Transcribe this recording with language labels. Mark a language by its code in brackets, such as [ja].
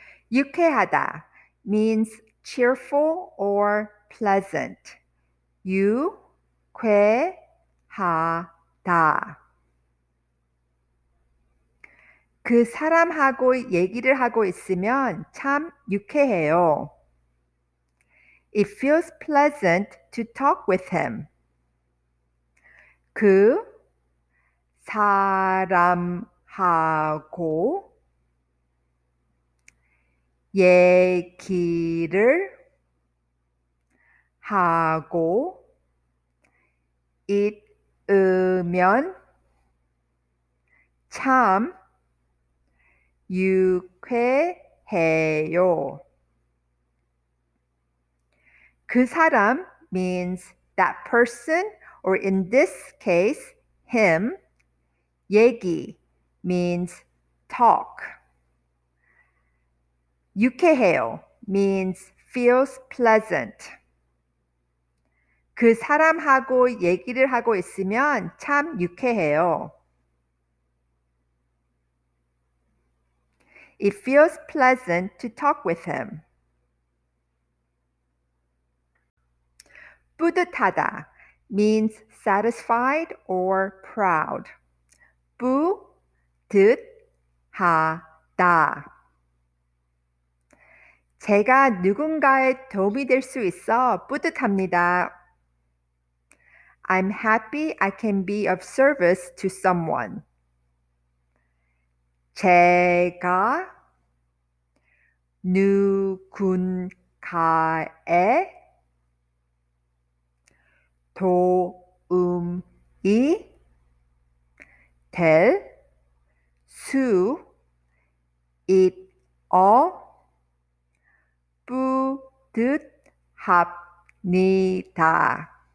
[en] 유쾌하다 means cheerful or pleasant. [ko] 유쾌하다. 그 사람하고 얘기를 하고 있으면 참 유쾌해요. [en] It feels pleasant to talk with him. 그 [ko] 사람하고 얘기를 하고 있으면 참 유쾌해요. [en] 그 사람 means that person, or in this case, him. 얘기 means talk. 유쾌해요 means feels pleasant. [ko] 그 사람하고 얘기를 하고 있으면 참 유쾌해요. [en] It feels pleasant to talk with him. 뿌듯하다 means satisfied or proud. [ko] 뿌듯하다. 제가 누군가의 도움이 될 수 있어 뿌듯합니다. [en] I'm happy I can be of service to someone. [ko] 제가 누군가의 도움이 될 수 있어 뿌듯합니다.